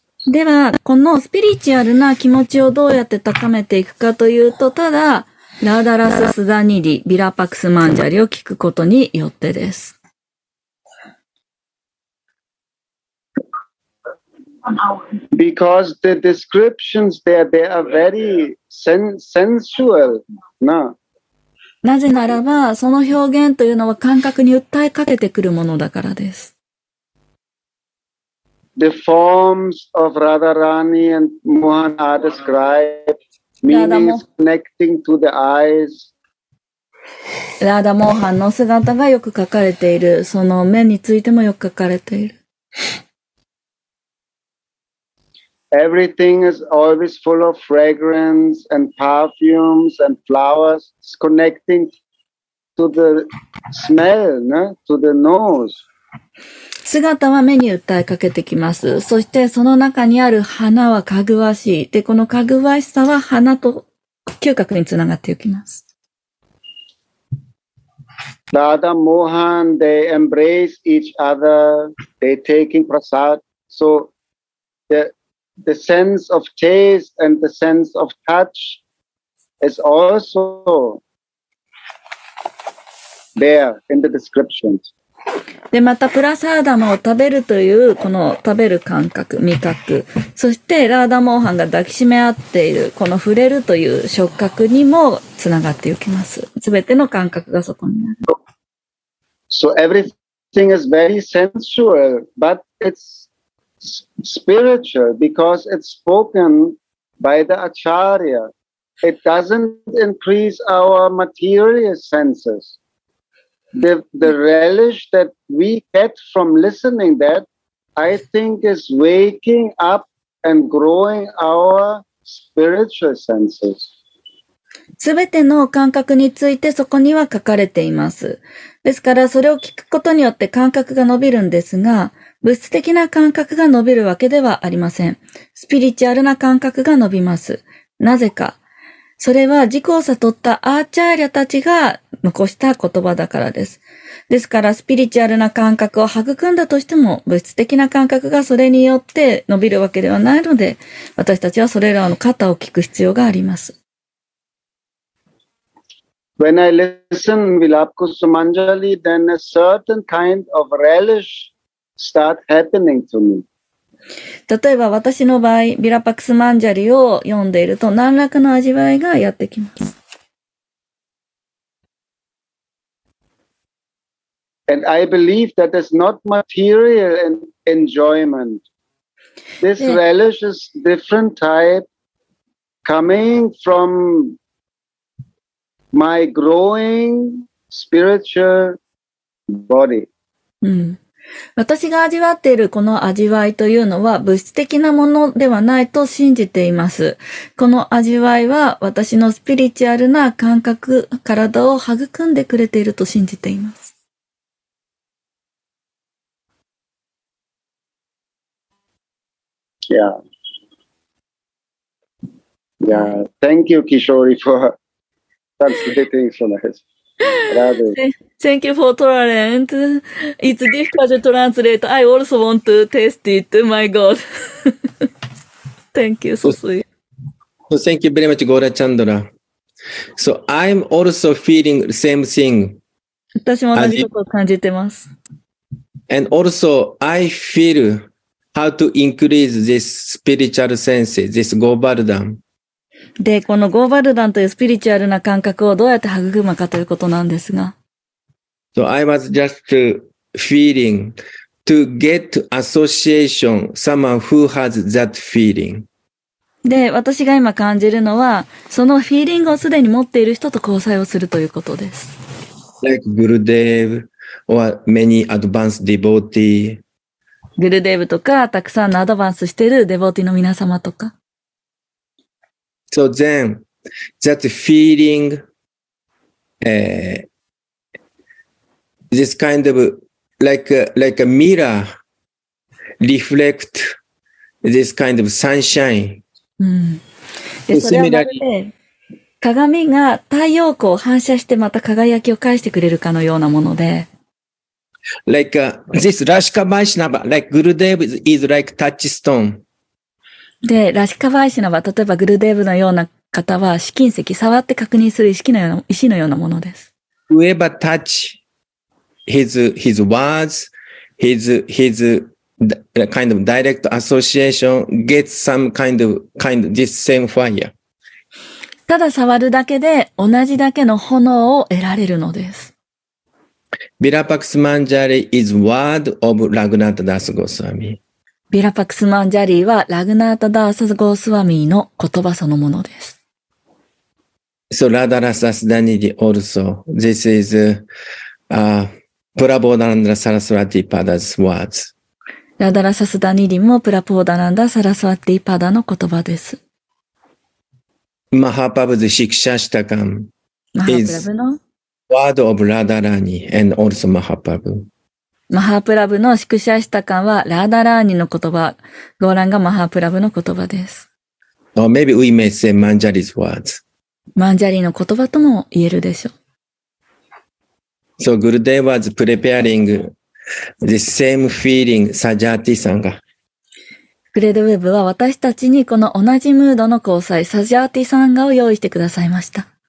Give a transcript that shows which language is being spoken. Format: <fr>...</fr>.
<ja>では、このスピリチュアルな気持ちをどうやって高めていくかというと、ただ、ラダラススダニリ、ビラパクスマンジャリを聞くことによってです。</ja> <en>Because the descriptions there, they are very sensual, no?</en> <ja>なぜならば、その表現というのは感覚に訴えかけてくるものだからです。</ja> <en>The forms of Radharani and Mohan are described, meaning connecting to the eyes.</en> <ja>ラダモハンの姿がよく書かれている。その目についてもよく書かれている。</ja> <en>Everything is always full of fragrance and perfumes and flowers. It's connecting to the smell, no? To the nose.</en> <ja>姿は目に訴えかけてきます。そしてその中にある花はかぐわしい。で、このかぐわしさは花と嗅覚につながっていきます。</ja> <en>Radha Mohan, they embrace each other, they taking prasad. So the sense of taste and the sense of touch is also there in the descriptions.</en> <ja>で、また、プラサーダマを食べるという、この食べる感覚、味覚。そして、ラーダモーハンが抱きしめ合っている、この触れるという触覚にもつながっていきます。すべての感覚がそこにある。</ja> <en>So everything is very sensual, but it's spiritual because it's spoken by the Acharya. It doesn't increase our material senses. The relish that we get from listening that, I think is waking up and growing our spiritual senses.</en> <ja>全ての感覚についてそこには書かれています。ですからそれを聞くことによって感覚が伸びるんですが、物質的な感覚が伸びるわけではありません。スピリチュアルな感覚が伸びます。なぜか。それは自己を悟ったアーチャーリャたちが残した言葉だからです。ですから、スピリチュアルな感覚を育んだとしても、物質的な感覚がそれによって伸びるわけではないので、私たちはそれらの肩を聞く必要があります。</ja> <en>When I listen Vilapku Sumanjali, then a certain kind of relish start happening to me.</en> <ja>例えば私の場合、ビラパクスマンジャリを読んでいると何らかの味わいがやってきます。</ja> <en>And I believe that is not material enjoyment. This relish is different type coming from my growing spiritual body.</en> <ja>私が味わっているこの味わいというのは物質的なものではないと信じています。この味わいは私のスピリチュアルな感覚、体を育んでくれていると信じています。</ja> <en>Yeah. Yeah. Thank you, Kishori, for translating so nice. Thank you for tolerant. It's difficult to translate. I also want to taste it. My God. Thank you, so sweet. Thank you very much, Gora Chandra. So I'm also feeling the same thing.</en> <ja>私も同じことを感じてます。</ja> <en>And also, I feel how to increase this spiritual sense, this Govardhan.</en> <ja>で、このゴーバルダンというスピリチュアルな感覚をどうやって育むかということなんですが。</ja> <en>So I was just feeling to get association someone who has that feeling.</en> <ja>で、私が今感じるのは、そのフィーリングをすでに持っている人と交際をするということです。</ja> <en>Like Gurudev or many advanced devotee.</en> <ja>Gurudev とか、たくさんのアドバンスしているデボーティーの皆様とか。</ja> <en>So then, that feeling, this kind of, like a mirror reflect this kind of sunshine.</en> <ja>うん、でそれはまるで鏡が太陽光を反射してまた輝きを返してくれるかのようなもので</ja> <en>like, this Rashika Vaishnava, like Gurudev is like touchstone.</en> <ja>で、ラシカ・バイシナバ、例えばグルデーブのような方は試金石、触って確認する石のようなものです。</ja> <en>Whoever touch his words, his The kind of direct association gets some kind of this same fire.</en> <ja>ただ触るだけで同じだけの炎を得られるのです。</ja> <en>Virapaksa Manjari is word of Raghunatha Das Goswami.</en> <ja>Virapaksa Manjari はラグナータダースゴスワミの言葉そのものです。</ja> <en>So Radharasas Danidhi also, this is Prabodhananda Saraswati Pada's words.</en> <ja>ラダラサスダニリもプラポーダランダサラスワッティパダの言葉です。マハパブズシクシャシタカン。マハプラブの。</ja> <en>ワードオブラダラーニ and also マハパブ。</en> <ja>マハプラブのシクシャシタカンはラダラーニの言葉。ゴーランがマハプラブの言葉です。</ja> <en>Or maybe we may say Manjari's words.</en> <ja>マンジャリの言葉とも言えるでしょう。</ja> <en>So Gurudev was preparing. The same feeling, Sajati</en> <ja>さんが。グレードウェブは私たちにこの同じムードの交際、サジャーティさんがを用意してくださいました。</ja>